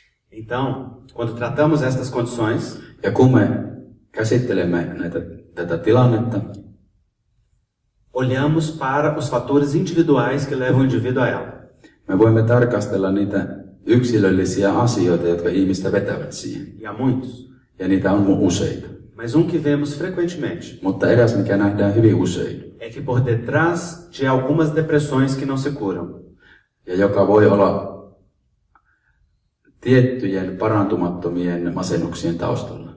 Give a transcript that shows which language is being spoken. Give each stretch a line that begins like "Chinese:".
Portuguese: Então, quando tratamos estas condições... E como é?
Finnish: Käsittelemme tätä tilannetta.
Portuguese: Olhamos para os fatores individuais que levam o indivíduo a ela.
Finnish: Me voimme tarkastella niitä yksilöllisiä asioita, jotka ihmistä vetävät siihen.
Portuguese: E há muitos.
Finnish: Ja niitä on useita.
Portuguese: Mas um que vemos frequentemente.
Finnish: Mutta eräs, mikä nähdään hyvin usein.
Portuguese: É que por detrás de algumas depressões que não se curam.
Finnish: Ja joka voi olla tiettyjen parantumattomien masennuksien taustalla.